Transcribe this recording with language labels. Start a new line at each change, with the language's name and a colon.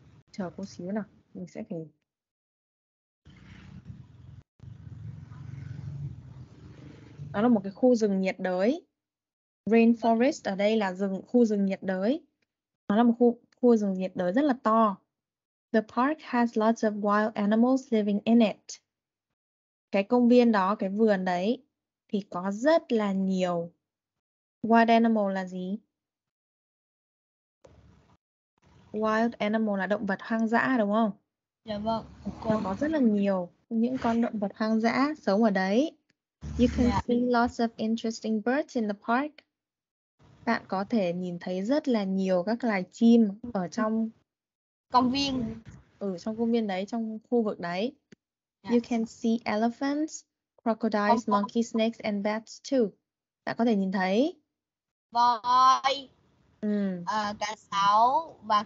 Vietnamese: Chờ cô xíu nào, mình sẽ phải. Nó là một cái khu rừng nhiệt đới. Rainforest ở đây là rừng, khu rừng nhiệt đới. Nó là một khu rừng nhiệt đới rất là to.
English: The park has lots of wild animals living in it.
Vietnamese: Cái công viên đó, cái vườn đấy thì có rất là nhiều. Wild animal là gì? Wild animal là động vật hoang dã đúng không? Dạ vâng. Nó có rất là nhiều những con động vật hoang dã sống ở đấy.
English: You can see lots of interesting birds in the park.
Vietnamese: Bạn có thể nhìn thấy rất là nhiều các loài chim ở trong công viên. Ở trong công viên đấy, trong khu vực đấy.
English: Yes. You can see elephants, crocodiles, monkeys, snakes and bats too.
Vietnamese: Bạn có thể nhìn thấy. Voi. cá sấu và